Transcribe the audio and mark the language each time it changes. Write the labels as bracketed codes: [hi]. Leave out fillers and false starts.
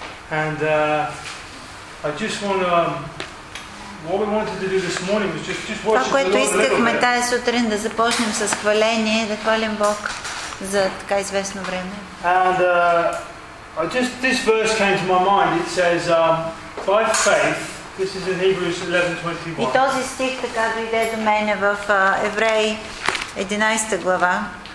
[en] And I just want to what we wanted to do this morning was just worship. [bg] Това, което искахме тази сутрин да започнем с хваление, да хвалим Бог за така известно време. [en] And this verse came to my mind. It says by faith. This is in Hebrews 11:21. [bg] И този стих така дойде до мене в Евреи 11-та глава.